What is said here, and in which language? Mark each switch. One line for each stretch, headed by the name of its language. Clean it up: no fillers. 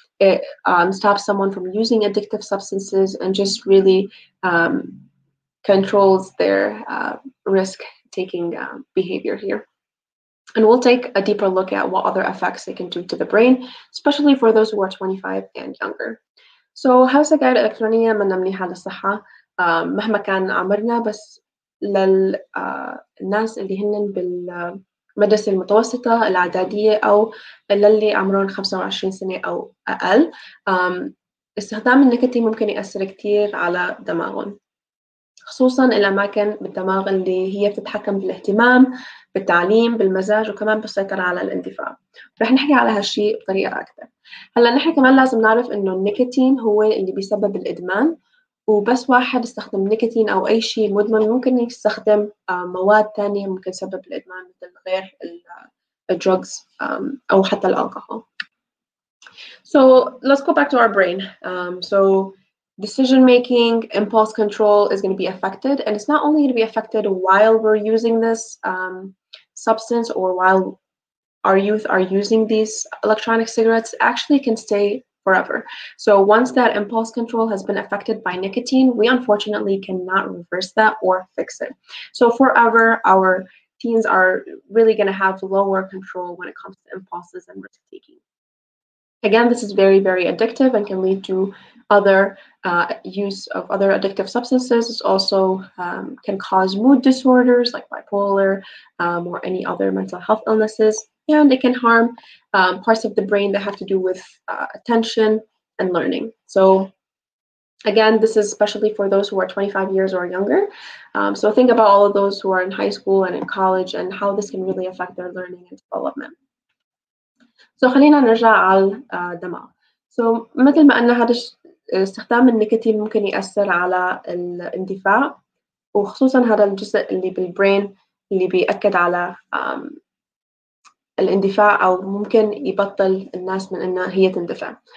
English: It stops someone from using addictive substances and just really controls their risk-taking behavior here. And we'll take a deeper look at what other effects they can do to the brain, especially for those who are 25 and younger. So how is
Arabic: السجائر الإلكترونية منا منيحة للصحة مهما كان عمرنا بس للناس اللي هن بالمدرسة المتوسطة الإعدادية أو للي عمرهم 25 سنة أو أقل استخدام النيكوتين ممكن يأثر كتير على دماغهم خصوصاً الأماكن بالدماغ اللي هي بتتحكم بالاهتمام بالتعليم بالمزاج وكمان بالسيطرة على الاندفاع رح نحكي على هالشي بطريقة أكثر هلأ نحن كمان لازم نعرف إنه النيكوتين هو اللي بيسبب الإدمان وبس واحد استخدم نيكوتين أو أي شيء مدمن ممكن يستخدم مواد تانية ممكن تسبب الإدمان مثل غير الدروغز أو حتى الكحول.
English: So let's go back to our brain. So decision making, impulse control is going to be affected, and it's not only going to be affected while we're using this substance or while our youth are using these electronic cigarettes, actually can stay forever. So once that impulse control has been affected by nicotine, we unfortunately cannot reverse that or fix it. So forever, our teens are really going to have lower control when it comes to impulses and risk taking. Again, this is very, very addictive and can lead to other use of other addictive substances. It also can cause mood disorders like bipolar or any other mental health illnesses. And it can harm parts of the brain that have to do with attention and learning. So again, this is especially for those who are 25 years or younger. So think about all of those who are in high school and in college and how this can really affect their learning and development.
Arabic: So خلينا نرجع على الدماغ. So مثل ما قلنا هذا استخدام النيكوتين ممكن يأثر على الاندفاع وخصوصا هذا الجزء اللي بالبرين اللي بيأكد على الاندفاع أو ممكن يبطل الناس من إنها هي تندفع.